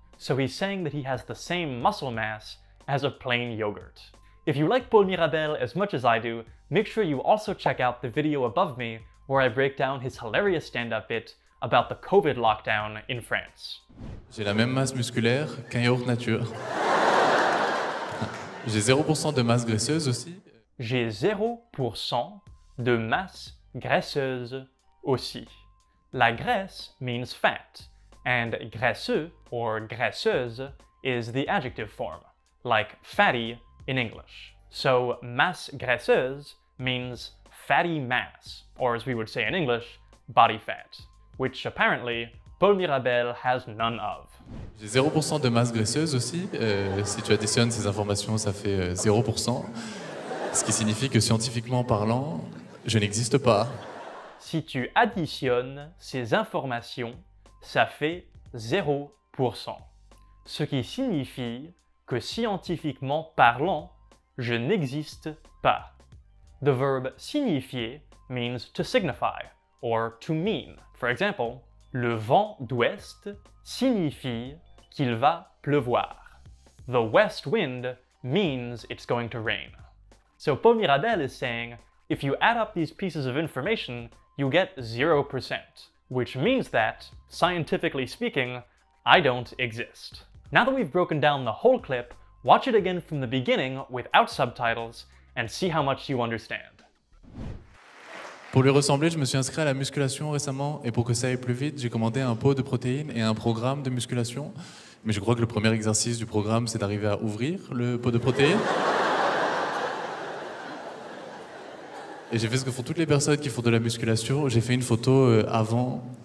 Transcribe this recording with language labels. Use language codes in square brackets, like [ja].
[en] So he's saying that he has the same muscle mass as a plain yogurt. If you like Paul Mirabel as much as I do, make sure you also check out the video above me where I break down his hilarious stand-up bit about the COVID lockdown in France. [fr] J'ai la même masse musculaire qu'un yaourt nature. J'ai 0% de masse graisseuse aussi. J'ai 0% de masse graisseuse aussi. [en] La graisse means fat, and graisseux or graisseuse is the adjective form, like fatty in English. So masse graisseuse means fatty mass, or as we would say in English, body fat, which apparently Paul Mirabel has none of. [fr] J'ai 0% de masse graisseuse aussi. Si tu additionnes ces informations, ça fait 0%. Ce qui signifie que scientifiquement parlant, je n'existe pas. Si tu additionnes ces informations, ça fait 0%. Ce qui signifie que scientifiquement parlant, je n'existe pas. [en] The verb signifier means to signify or to mean. For example, [fr] le vent d'ouest signifie qu'il va pleuvoir. [en] The west wind means it's going to rain. So Paul Mirabel is saying, if you add up these pieces of information, you get 0%, which means that, scientifically speaking, I don't exist. Now that we've broken down the whole clip, watch it again from the beginning without subtitles and see how much you understand. [fr] Pour lui ressembler, je me suis inscrit à la musculation récemment et pour que ça aille plus vite, j'ai commandé un pot de protéines et un programme de musculation. Mais je crois que le premier exercice du programme, c'est d'arriver à ouvrir le pot de protéines. Et j'ai fait ce que font toutes les personnes qui font de la musculation, j'ai fait une photo avant...